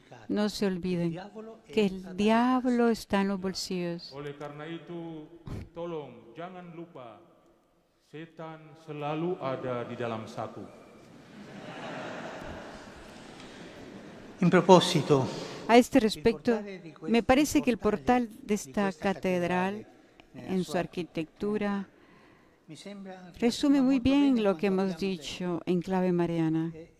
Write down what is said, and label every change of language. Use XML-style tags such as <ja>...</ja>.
<es>No se olviden que el diablo está en los bolsillos.</es> <id>Oleh karena itu, tolong jangan lupa, setan selalu ada di dalam saku.</id> <es>En propósito, a este respecto, me parece que el portal de esta catedral, en su arquitectura, resume muy bien lo que hemos dicho en clave mariana.</es>